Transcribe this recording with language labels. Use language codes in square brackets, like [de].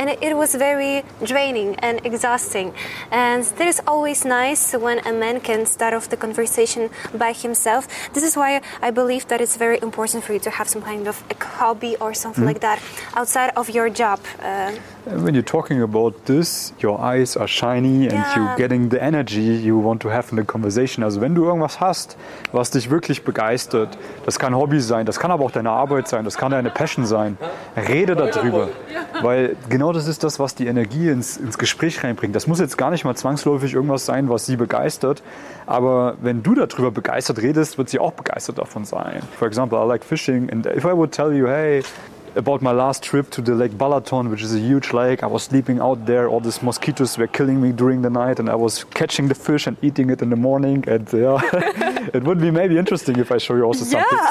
[en] And it was very draining and exhausting. And that is always nice when a man can start off the conversation by himself. This is why I believe that it's very important for you to have some kind of a hobby or something mm-hmm. like that outside of your job. When you're talking about this, your eyes are shiny and you're getting the energy you want to have in the conversation. [de] Also wenn du irgendwas hast, was dich wirklich begeistert, das kann Hobby sein, das kann aber auch deine Arbeit sein, das kann deine Passion sein, rede darüber. Weil genau das ist das, was die Energie ins Gespräch reinbringt. Das muss jetzt gar nicht mal zwangsläufig irgendwas sein, was sie begeistert. Aber wenn du darüber begeistert redest, wird sie auch begeistert davon sein. [en] For example, I like fishing and if I would tell you, hey, about my last trip to the Lake Balaton, which is a huge lake. I was sleeping out there. All these mosquitoes were killing me during the night and I was catching the fish and eating it in the morning. And it would be maybe interesting if I show you also some pictures.